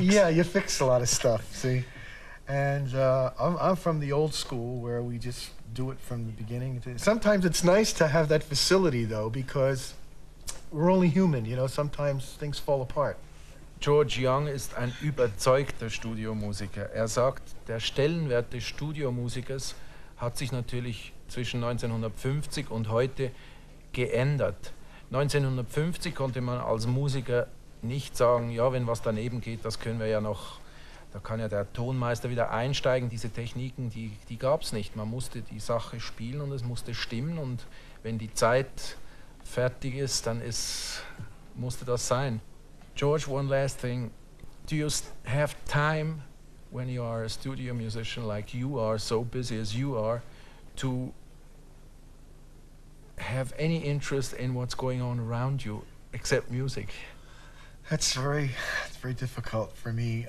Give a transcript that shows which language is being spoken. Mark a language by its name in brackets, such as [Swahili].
[English] Yeah, you fix a lot of stuff, see? And I'm from the old school where we just do it from the beginning. Sometimes it's nice to have that facility though, because we're only human, you know, sometimes things fall apart. [German] George Young ist ein überzeugter Studiomusiker. Er sagt, der Stellenwert des Studiomusikers hat sich natürlich zwischen 1950 und heute geändert. 1950 konnte man als Musiker nicht sagen, ja, wenn was daneben geht, das können wir ja noch, da kann ja der Tonmeister wieder einsteigen, diese Techniken, die gab es nicht. Man musste die Sache spielen und es musste stimmen, und wenn die Zeit fertig ist, dann musste das sein. [English] George, one last thing. Do you have time, when you are a studio musician like you are, so busy as you are, to have any interest in what's going on around you, except music? That's very difficult for me.